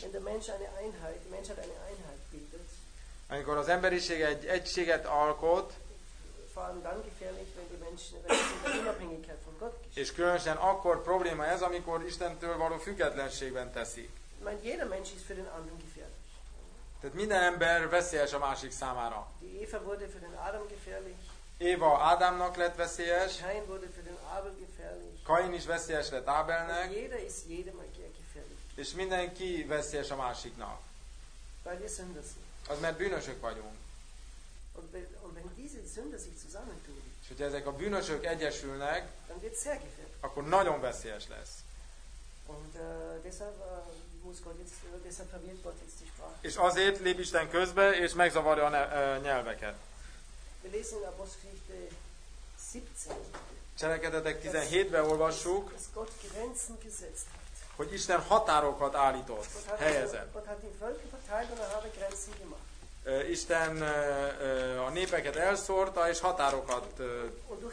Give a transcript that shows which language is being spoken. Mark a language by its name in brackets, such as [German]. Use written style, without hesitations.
[German] Wenn der Mensch eine Einheit, der Mensch hat eine Einheit bildet. [Hungarian] Amikor az emberiség egy egységet alkot, [German] dann gefährlich, wenn die Menschen in Unabhängigkeit von Gott geschehen. [Hungarian] És különösen akkor probléma ez, amikor Istentől való függetlenségben teszik. Mert [German] jeder Mensch ist für den anderen gefährlich. [Hungarian] Tehát minden ember veszélyes a másik számára. [German] Die Eva wurde für den Adam gefährlich. [Hungarian] Eva Ádámnak lett veszélyes. [German] Kain wurde für den Abel gefährlich. [Hungarian] Kain is veszélyes lett Ábelnek. [German] Und jeder ist jedem gefährlich. [Hungarian] És mindenki veszélyes a másiknak. [German] Weil wir sündösen. [Hungarian] Az mert bűnösök vagyunk. [German] Und wenn diese Sünder sich zusammentun, [Hungarian] és hogyha ezek a bűnösök egyesülnek, [German] dann wird sehr gefährlich. [Hungarian] Akkor nagyon veszélyes lesz. [German] Und deshalb muss Gott jetzt, deshalb verwirrt Gott jetzt die Sprache. [Hungarian] És azért lép Isten közbe, és megzavarja a nyelveket. [German] Wir lesen in Apostelgeschichte 17. [Hungarian] Cselekedetek 17-ben olvassuk, [German] dass Gott Grenzen gesetzt hat. [Hungarian] Hogy Isten határokat állított, helyezett. [German] Gott hat die Völker verteilt und er habe Grenzen gemacht. [Hungarian] Isten a népeket elszórta és határokat állított.